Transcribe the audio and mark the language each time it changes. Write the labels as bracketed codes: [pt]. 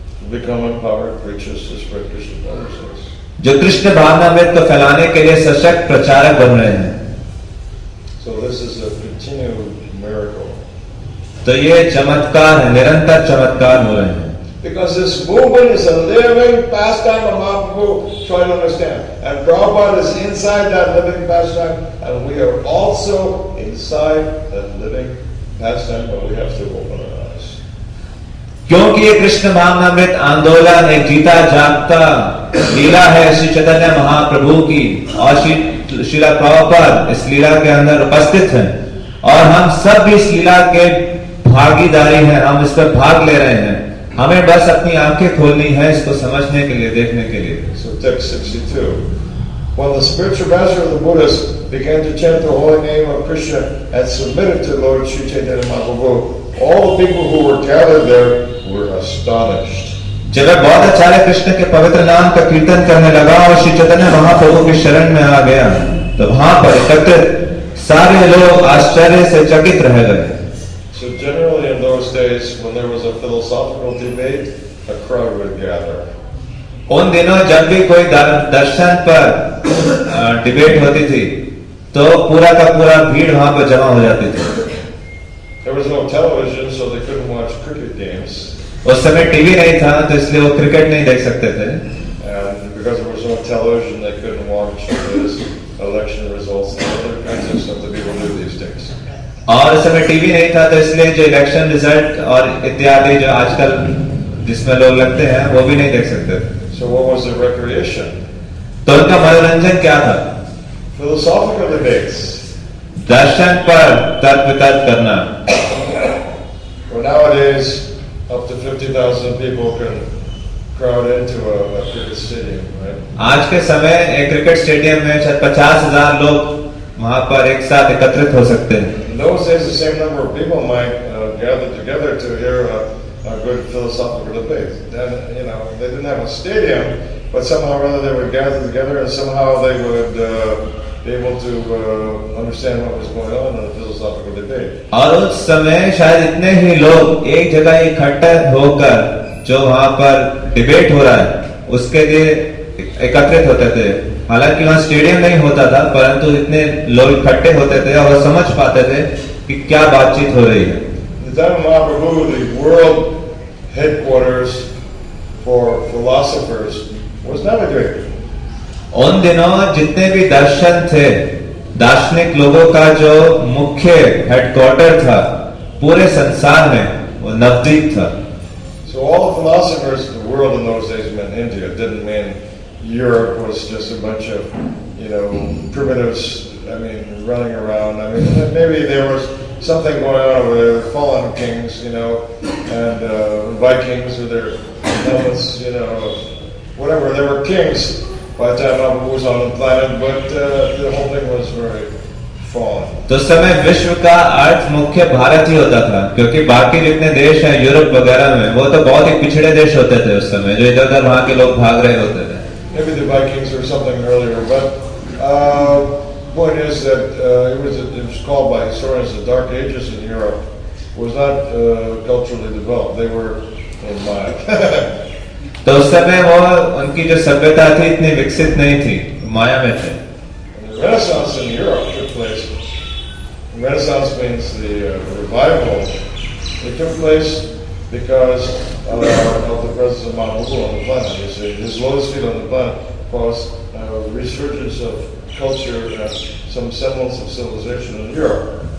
[en] Become empowered preachers to spread Krishna consciousness. [hi] जो कृष्ण भावना में तो फैलाने के लिए सशक्त प्रचारक बन रहे हैं. [en] So this is a continued miracle. [hi] तो ये चमत्कार है निरंतर चमत्कार हो रहे हैं. [en] Because this movement is a living pastime of Mahaprabhu, try to understand. And Prabhupada is inside that living pastime, and we are also inside that living pastime, but we have to open it. [hi] क्योंकि ये कृष्ण भावनामृत आंदोलन एक जीता जागता लीला है श्री चैतन्य महाप्रभु की और श्रीला प्रभुपाद इस लीला के अंदर उपस्थित हैं और हम सब भी इस लीला के भागीदारी हैं हम इस पर भाग ले रहे हैं हमें बस अपनी आंखें खोलनी है इसको समझने के लिए देखने के लिए [en] So text 62 When the spiritual master of the Buddhists began to chant the holy name of Krishna and submitted to Lord Sri Chaitanya Mahaprabhu, all the people who were gathered there were astonished. [hi] जब बौद्ध आचार्य कृष्ण के पवित्र नाम का कीर्तन करने लगा और श्री चैतन्य महाप्रभु के शरण में आ गया तो वहां पर एकत्रित सारे लोग आश्चर्य से चकित रह गए. [en] So generally in those days when there was a philosophical debate, a crowd would gather. [hi] उन दिनों जब भी कोई दर्शन पर डिबेट होती थी तो पूरा का पूरा भीड़ वहां पर जमा हो जाती थी. [en] There was no television, so they couldn't watch cricket games. [hi] उस समय टीवी नहीं था तो इसलिए वो क्रिकेट नहीं देख सकते थे. [en] And because there was no television, they couldn't watch this election results and other kinds of stuff that people do these days. [hi] और उस समय टीवी नहीं था तो इसलिए जो इलेक्शन रिजल्ट और इत्यादि जो आजकल जिसमें लोग लगते हैं वो भी नहीं देख सकते थे. [en] So what was the recreation? [hi] तो उनका मनोरंजन क्या था? [en] Philosophical debates. [hi] दर्शन पर तर्क वितर्क करना. [en] Well, nowadays, up to 50,000 people can crowd into a cricket stadium, right? [hi] आज के समय एक क्रिकेट स्टेडियम में शायद 50,000 लोग वहां पर एक साथ एकत्रित हो सकते हैं. [en] In those days, the same number of people might gather together to hear a good philosophical debate. Then, you know, they didn't have a stadium, but somehow or other they would gather together and somehow they would able to understand what was going on in a philosophical debate. [hi] और उस समय शायद इतने ही लोग एक जगह इकट्ठा होकर जो वहां पर डिबेट हो रहा है उसके लिए एकत्रित होते थे हालांकि वहां स्टेडियम नहीं होता था परंतु इतने लोग इकट्ठे होते थे और समझ पाते थे कि क्या बातचीत हो रही है. [en] The Dharma Mahaprabhu, the world headquarters for philosophers, was not a great [hi] उन दिनों जितने भी दर्शन थे दार्शनिक लोगों का जो मुख्य हेडक्वार्टर था पूरे संसार में वो नवद्वीप था. [en] So all the philosophers in the world in those days meant India. It didn't mean Europe was just a bunch of, you know, primitives. I mean, running around. I mean, maybe there was something going on with fallen kings, you know, and Vikings with their helmets, you know, whatever. There were kings. By the time Mahaprabhu was on the planet, but the whole thing was very fallen. [hi] तो समय विश्व का अर्थ मुख्य भारत ही होता था क्योंकि बाकी जितने देश हैं यूरोप वगैरह में वो तो बहुत ही पिछड़े देश होते थे उस समय जो इधर उधर वहां के लोग भाग रहे होते थे. [en] Maybe the Vikings or something earlier, but Point is that it was called by historians the Dark Ages in Europe. It was not culturally developed. They were in Maya. [hi] तो उस समय वो उनकी जो सभ्यता थी इतनी विकसित नहीं थी माया में थे. [en] Renaissance in Europe took place. Renaissance means the revival. It took place because of the presence of Mahabhu on the planet. You see, his lotus feet on the planet caused a resurgence of culture and some semblance of civilization in Europe.